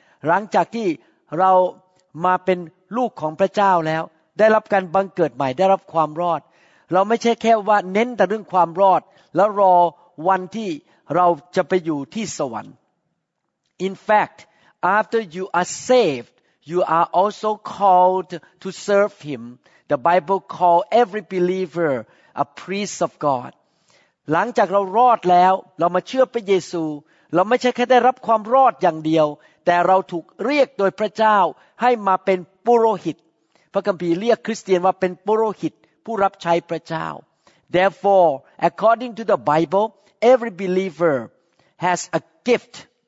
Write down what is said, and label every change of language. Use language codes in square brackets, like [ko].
[th] หลังจากที่เรามาเป็นลูกของพระเจ้าแล้วได้รับการบังเกิดใหม่ได้รับความรอดเราไม่ใช่แค่ว่าเน้นแต่เรื่องความรอดแล้วรอวันที่เราจะไปอยู่ที่สวรรค์ [en] In factAfter you are saved, you are also called to serve Him. The Bible calls every believer a priest of God. [th] หลังจากเรารอดแล้วเรามาเชื่อพระเยซูเราไม่ใช่แค่ได้รับความรอดอย่างเดียวแต่เราถูกเรียกโดยพระเจ้าให้มาเป็นปุโรหิตพระคัมภีร์เรียกคริสเตียนว่าเป็นปุโรหิตผู้รับใช้พระเจ้า [en] Therefore, according to the Bible, every believer has a gift.